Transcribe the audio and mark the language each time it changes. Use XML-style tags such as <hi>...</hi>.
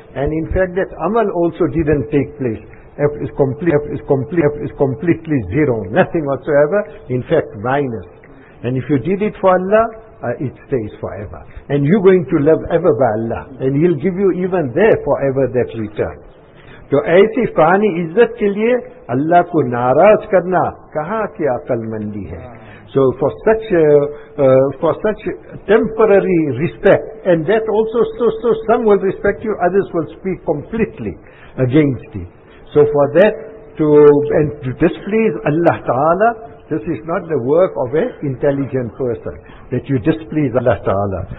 <en>And in fact that amal also didn't take place. F is completely zero, nothing whatsoever, in fact minus. And if you did it for Allah, it stays forever. And you're going to live ever by Allah. And He'll give you even there forever that return.</en> <ur>تو ایسی فانی عزت کے لیے اللہ کو ناراض کرنا کہاں کی عقل مندی ہے.</ur> <en>So for such temporary respect, and that also so some will respect you, others will speak completely against it. So for that to displease Allah Ta'ala, this is not the work of an intelligent person, that you displease Allah Ta'ala.</en>